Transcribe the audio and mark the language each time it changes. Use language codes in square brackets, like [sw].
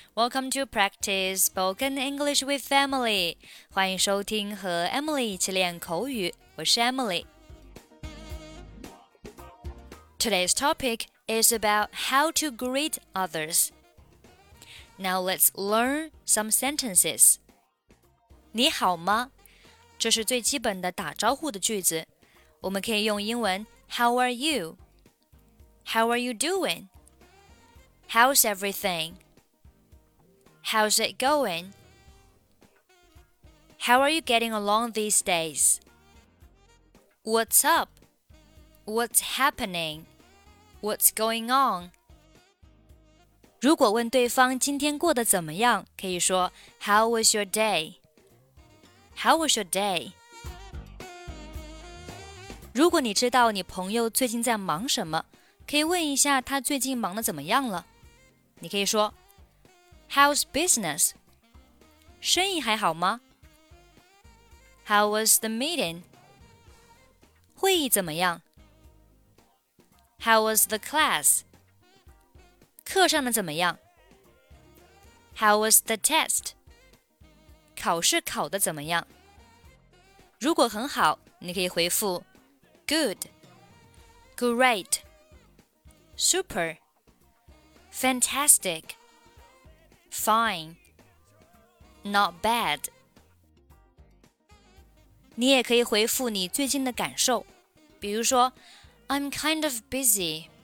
[en] Welcome to Practice Spoken English with Emily. [zh] 欢迎收听和 Emily 一起练口语。我是 Emily. [en] Today's topic is about how to greet others. Now let's learn some sentences. [zh] 你好吗？这是最基本的打招呼的句子。我们可以用英文 [en] How are you? How are you doing? How's everything? How's it going? How are you getting along these days? What's up? What's happening? What's going on? [zh] 如果问对方今天过得怎么样，可以说 [en] How was your day? How was your day? [zh] 如果你知道你朋友最近在忙什么，可以问一下他最近忙得怎么样了。你可以说 [en] How's business? [zh] 生意还好吗? [en] How was the meeting? [zh] 会议怎么样? [en] How was the class? [zh] 课上的怎么样? [en] How was the test? [zh] 考试考的怎么样? 如果很好,你可以回复 [en] Good, Great, Super,Fantastic, fine, not bad. [zh] 你也可以回复你最近的感受，比如说 [en] I'm kind of busy.